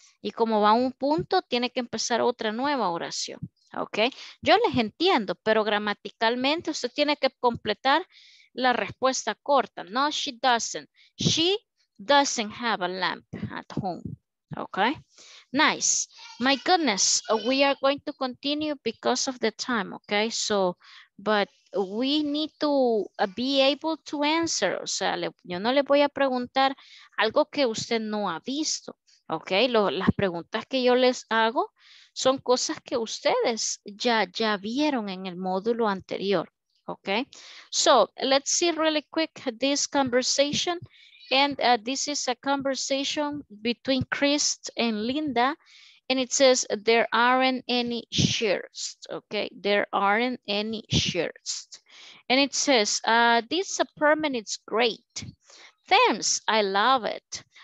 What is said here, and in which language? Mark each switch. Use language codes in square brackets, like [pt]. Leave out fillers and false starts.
[es] y como va un punto, tiene que empezar otra nueva oración, ok, yo les entiendo, pero gramaticalmente usted tiene que completar la respuesta corta, no, [en] she doesn't have a lamp at home. Okay, nice. My goodness, we are going to continue because of the time, okay? So, but we need to be able to answer. [es] O sea, yo no le voy a preguntar algo que usted no ha visto, okay? Las preguntas que yo les hago son cosas que ustedes ya vieron en el módulo anterior, okay? [en] So, let's see really quick this conversation. And this is a conversation between Chris and Linda. And it says, there aren't any shirts. Okay, there aren't any shirts. And it says, this apartment is great. Thanks, I love it.